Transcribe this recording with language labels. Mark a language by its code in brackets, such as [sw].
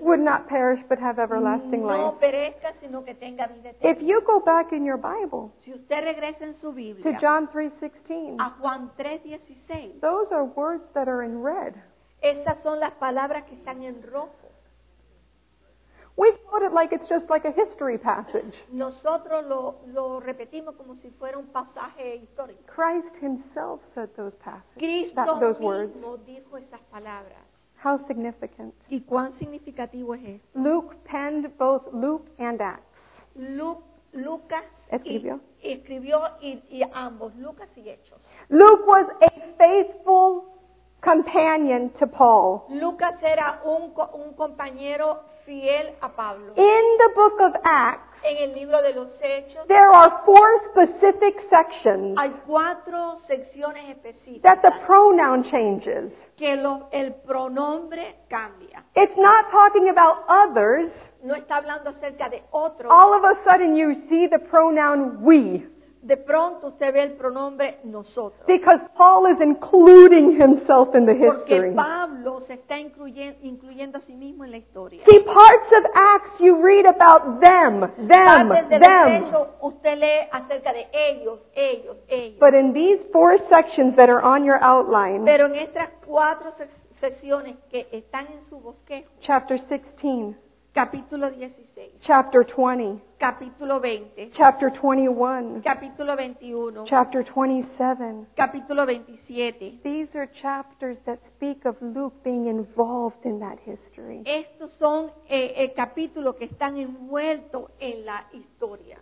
[en] would not perish but have everlasting [es] no [en] life. [es] Perezca, sino que tenga vida eterna. [en] If you go back in your Bible, [es] si usted regresa en su Biblia, [en] to John 3:16, [es] a Juan 3:16, [en] those are words that are in red. [es] Esas son las palabras que están en rojo. [en] We thought it like it's just like a history passage. [es] Nosotros lo repetimos como si fuera un pasaje histórico. [en] Christ himself said those passages. [es] Cristo [en] that, those [es] mismo [en] words. [es] Dijo esas palabras. [en] How significant. [es] ¿Y cuán significativo es esto? [en] Luke penned both Luke and Acts. [es] Lucas escribió y ambos, Lucas y Hechos. [en] Luke was a faithful companion to Paul. [es] Lucas era un compañero fiel a Pablo. [en] In the book of Acts, [es] en el libro de los Hechos, [en] there are four specific sections. [es] Hay cuatro secciones específicas. [en] That the pronoun changes. [es] Que el pronombre cambia. [en] It's not talking about others. [es] No está hablando acerca de otros. [en] All of a sudden you see the pronoun we. [es] De pronto usted ve el pronombre nosotros. [en] Because Paul is including himself in the history. [es] Porque Pablo se está incluyendo a sí mismo en la historia. [en] See, parts of Acts you read about them, them, them. [es] Usted lee acerca de ellos, ellos, ellos. [en] But in these four sections that are on your outline, [es] pero en estas cuatro secciones que están en su bosquejo, [en] chapter 16, [es] capítulo 16, [en] chapter 20, [es] capítulo 20, [en] chapter 21, [es] capítulo 21, [en] chapter 27, [es] capítulo 27. [en] These are chapters that speak of Luke being involved in that history. [es] Estos son capítulos que están envueltos en la historia.